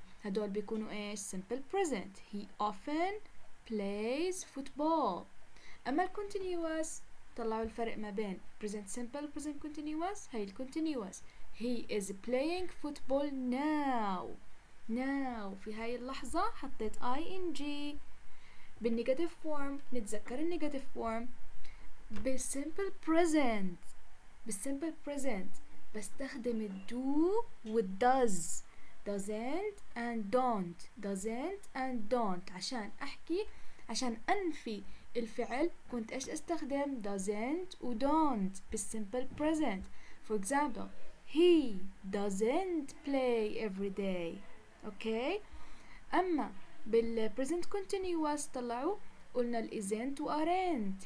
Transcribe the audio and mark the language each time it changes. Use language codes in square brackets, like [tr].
[ar] هدول بيكونوا ايش؟ [en] simple present. He often plays football. [ar] أما ال continuous طلعوا الفرق ما بين present simple present continuous. هاي ال [en] continuous he is playing football now. [ar] Now في هاي اللحظة حطيت ing. بال negative form نتذكر ال negative form. [en] بال simple present بالsimple present بستخدم do with does, doesn't and don't, doesn't and don't. [ar] عشان أحكي عشان أنفي الفعل كنت إيش أستخدم doesn't و don't بالsimple present. [en] For example, he doesn't play every day. Okay. [ar] أما بالpresent continuous طلعوا قلنا isn't و aren't.